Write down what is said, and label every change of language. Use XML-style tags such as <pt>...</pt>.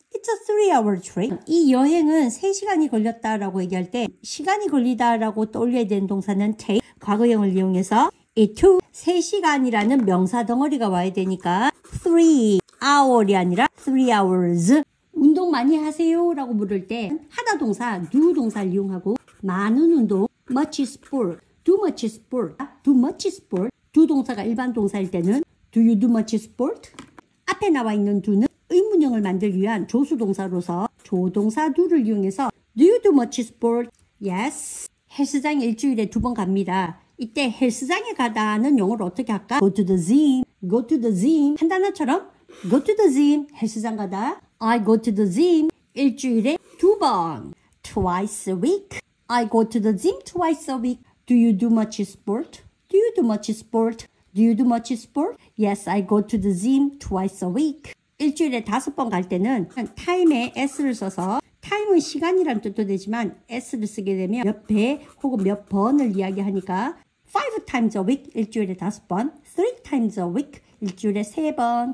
<en>It's a 3-hour trip.</en> <ko>이 여행은 3시간이 걸렸다라고 얘기할 때 시간이 걸리다라고 떠올려야 되는 동사는 take 과거형을 이용해서</ko> <en>it took</en> <ko>3시간이라는 명사 덩어리가 와야 되니까 3-hour이 아니라 3-hours 운동 많이 하세요? 라고 물을 때 하다 동사, do 동사를 이용하고 많은 운동,</ko> <en>much sport, do much sport, do much sport</en> <ko>do 동사가 일반 동사일 때는</ko> <en>do you do much sport?</en> <ko>앞에 나와 있는 do는 의문형을 만들기 위한 조수동사로서 조동사 do를 이용해서</ko> <en>Do you do much sport? Yes.</en> <ko>헬스장에 일주일에 두 번 갑니다. 이때 헬스장에 가다는 용어를 어떻게 할까?</ko> <en>Go to the gym. Go to the gym. 한 단어처럼 Go to the gym.</en> <ko>헬스장 가다.</ko> <en>I go to the gym.</en> <ko>일주일에 두 번.</ko> <en>Twice a week. I go to the gym twice a week. Do you do much sport? Do you do much sport? Do you do much sport? Yes, I go to the gym twice a week.</en> <ko>일주일에 다섯 번 갈 때는 time에 s를 써서 time은 시간이란 뜻도 되지만 s를 쓰게 되면 몇 회 혹은 몇 번을 이야기하니까</ko> <en>5 times a week</en> <ko>일주일에 다섯 번</ko> <en>3 times a week</en> <ko>일주일에 세 번</ko>